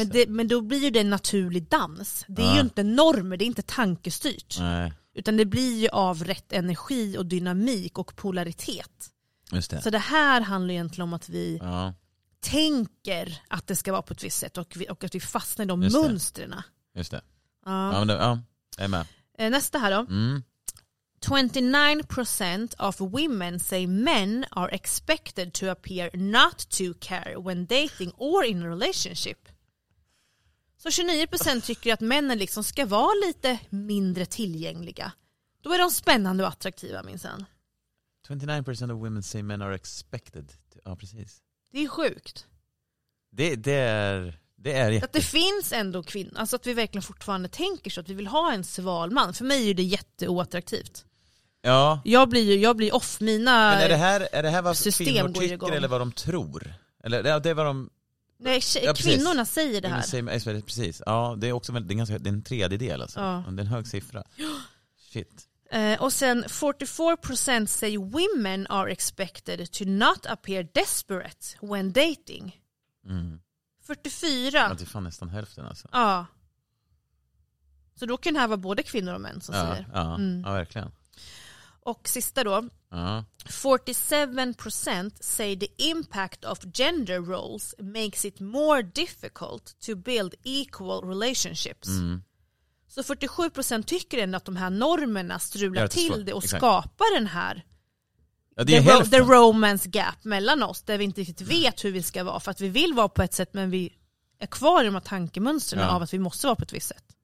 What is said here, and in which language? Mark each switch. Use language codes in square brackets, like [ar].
[sv] Men då blir ju det en naturlig dans. Det är ju inte normer, det är inte tankestyrt. Nej. Utan det blir ju av rätt energi och dynamik och polaritet. Just det. Så det här handlar egentligen om att vi tänker att det ska vara på ett visst sätt och att vi fastnar i de mönstren. Just det. Ja, jag är med. Nästa här då. [en] 29% of women say men are expected to appear not to care when dating or in a relationship. [sv] Så 29% tycker att männen liksom ska vara lite mindre tillgängliga. Då är de spännande och attraktiva, minns han. [en] 29% of women say men are expected to... [sv] Ja, precis. Det är sjukt. Det är att det finns ändå kvinnor. Alltså att vi verkligen fortfarande tänker så att vi vill ha en sval man. För mig är det jätteoattraktivt. Ja. Jag blir off mina. Men är det här vad kvinnor tycker eller vad de tror? Eller det är vad de Nej, kvinnorna säger det här. Kvinnor säger, precis. Ja, det är också det är en tredjedel alltså. Ja. Det är en hög siffra. Shit. Och sen [en] 44% say women are expected to not appear desperate when dating. [sv] Mm. 44. Ja, det är fan nästan hälften alltså. Ja. Så då kan det här vara både kvinnor och män som säger. Ja, verkligen. Och sista då. [en] 47% say the impact of gender roles makes it more difficult to build equal relationships. [sv] Mm. Så 47% tycker ändå att de här normerna strular till det och skapar den här [en] the [sv] romance gap mellan oss där vi inte riktigt vet hur vi ska vara för att vi vill vara på ett sätt men vi är kvar i de här tankemönstren av att vi måste vara på ett visst sätt.